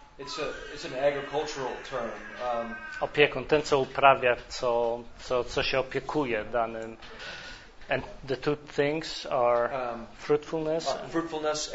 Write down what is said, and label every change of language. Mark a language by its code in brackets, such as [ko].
[en] It's an agricultural term. [pl] Opiekun, ten co uprawia, co się opiekuje danym. [en] And the two things are fruitfulness